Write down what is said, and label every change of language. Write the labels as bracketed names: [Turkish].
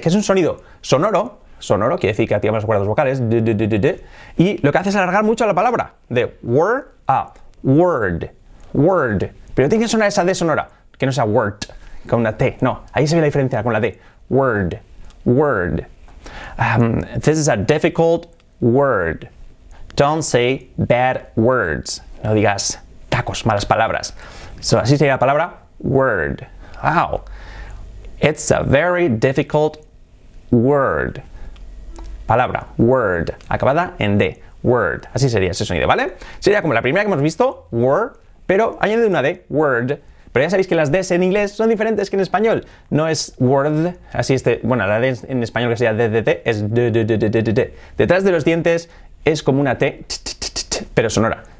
[Spanish] Que es un sonido sonoro. Sonoro quiere decir que activa las cuerdas vocales. Y lo que hace es alargar mucho la palabra. De word a word, word. Pero tiene que sonar esa D sonora. Que no sea word con una T. No, ahí se ve la diferencia con la D. [English] Word, word. This is a difficult word. Don't say bad words. [Spanish] No digas tacos, malas palabras. So, así sería la palabra word. Wow. [English] It's a very difficult word. [Spanish] Palabra, word, acabada en D. Word. Así sería ese sonido, ¿vale? Sería como la primera que hemos visto, word, pero añade una D, word. Pero ya sabéis que las D's en inglés son diferentes que en español. No es word, así este, bueno, la D en español que sería D, es D. Detrás de los dientes es como una T, pero sonora.